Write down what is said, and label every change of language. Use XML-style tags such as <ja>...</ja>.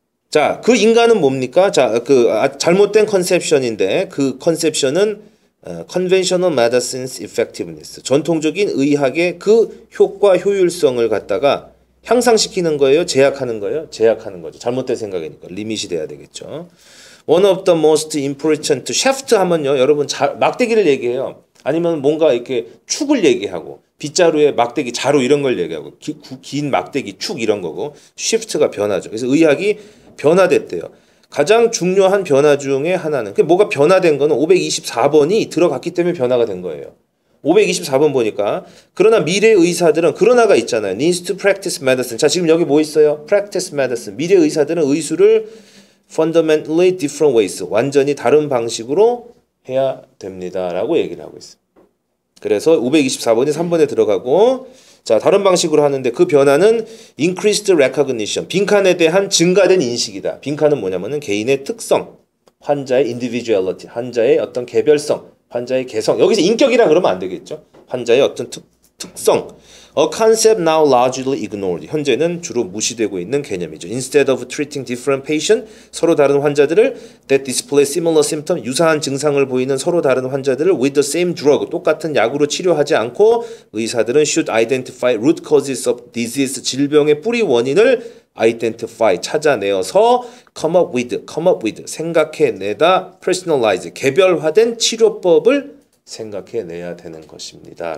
<ko>자, 그 인간은 뭡니까? 자, 그 잘못된 컨셉션인데 그 컨셉션은</ko> <en>conventional medicine's effectiveness.</en> <ko>전통적인 의학의 그 효과 효율성을 갖다가 향상시키는 거예요? 제약하는 거예요? 제약하는 거죠. 잘못된 생각이니까. 리밋이 돼야 되겠죠. One of the most important shaft 하면요. 여러분, 막대기를 얘기해요. 아니면 뭔가 이렇게 축을 얘기하고, 빗자루에 막대기, 자루 이런 걸 얘기하고, 긴 막대기 축 이런 거고, shift가 변하죠. 그래서 의학이 변화됐대요. 가장 중요한 변화 중에 하나는, 그 뭐가 변화된 거는 524번이 들어갔기 때문에 변화가 된 거예요. 524번 보니까, 그러나 미래 의사들은, 그러나가 있잖아요.</ko> <en>needs to practice medicine.</en> <ko>자, 지금 여기 뭐 있어요? practice medicine. 미래 의사들은 의술을</ko> <en>fundamentally different ways.</en> <ko>완전히 다른 방식으로 해야 됩니다. 라고 얘기를 하고 있어요. 그래서 524번이 3번에 들어가고, 자, 다른 방식으로 하는데 그 변화는</ko> <en>increased recognition.</en> <ko>빈칸에 대한 증가된 인식이다. 빈칸은 뭐냐면은 개인의 특성, 환자의 individuality, 환자의 어떤 개별성, 환자의 개성. 여기서 인격이라 그러면 안 되겠죠. 환자의 어떤 특성.</ko> <en>A concept now largely ignored.</en> <ko>현재는 주로 무시되고 있는 개념이죠.</ko> <en>Instead of treating different patients,</en> <ko>서로 다른 환자들을</ko> <en>that display similar symptoms,</en> <ko>유사한 증상을 보이는 서로 다른 환자들을</ko> <en>with the same drug,</en> <ko>똑같은 약으로 치료하지 않고 의사들은</ko> <en>should identify root causes of disease,</en> <ko>질병의 뿌리 원인을 identify, 찾아내어서</ko> <en>come up with,</en> <ko>생각해내다 personalize, 개별화된 치료법을 생각해내야 되는 것입니다.</ko>